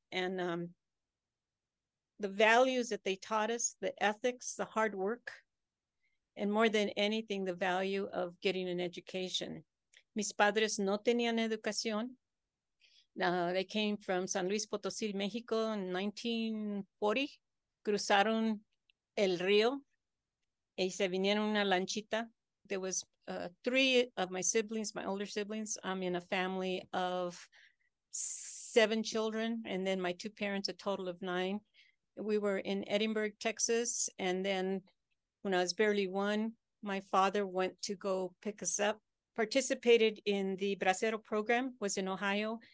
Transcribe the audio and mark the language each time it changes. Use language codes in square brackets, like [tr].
[en] And the values that they taught us, the ethics, the hard work, and more than anything, the value of getting an education. [es] Mis padres no tenían educación. [en] They came from San Luis Potosí, Mexico in 1940. [es] Cruzaron el río y se vinieron una lanchita. [en] There was three of my siblings, my older siblings. I'm in a family of seven children, and then my two parents, a total of nine. We were in Edinburgh, Texas, and then when I was barely one, my father went to go pick us up, participated in the Bracero program, was in Ohio.